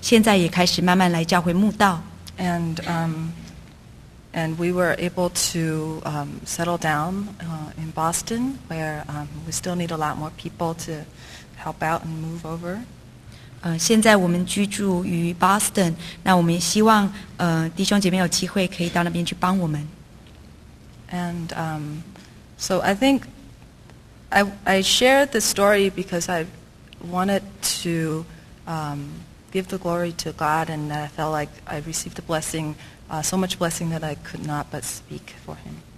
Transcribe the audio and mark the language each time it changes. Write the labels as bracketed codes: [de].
[zh] 那Jack的父母亲还有姐姐，因他们本身不是教会的信徒，但是现在也开始慢慢来教会慕道。 [en] And and we were able to settle down in Boston, where we still need a lot more people to help out and move over. [zh] 现在我们居住于Boston，那我们也希望弟兄姐妹有机会可以到那边去帮我们。 [en] And so I think I share this story because I wanted to give the glory to God, and that I felt like I received a blessing, so much blessing that I could not but speak for Him.